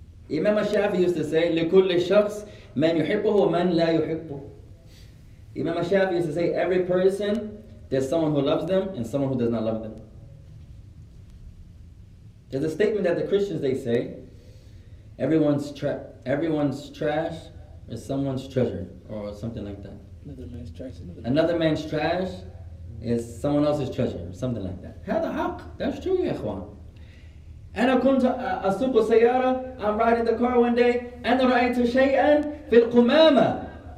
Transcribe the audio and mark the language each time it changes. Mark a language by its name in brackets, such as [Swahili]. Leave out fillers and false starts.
[English] Imam al-Shafi used to say, [Arabic] لكل شخص من يحبه ومن لا يحبه. [English] Imam al-Shafi used to say, every person, there's someone who loves them and someone who does not love them. There's a statement that the Christians, they say, everyone's trash is someone's treasure or something like that. Another man's trash is someone else's treasure or something like that. [Arabic] هذا حق. [English] That's true, يا إخوان. [Arabic] أنا كنت أسوق سيارة. [English] I'm riding the car one day. [Arabic] أنا رأيت شيئا في القمامة.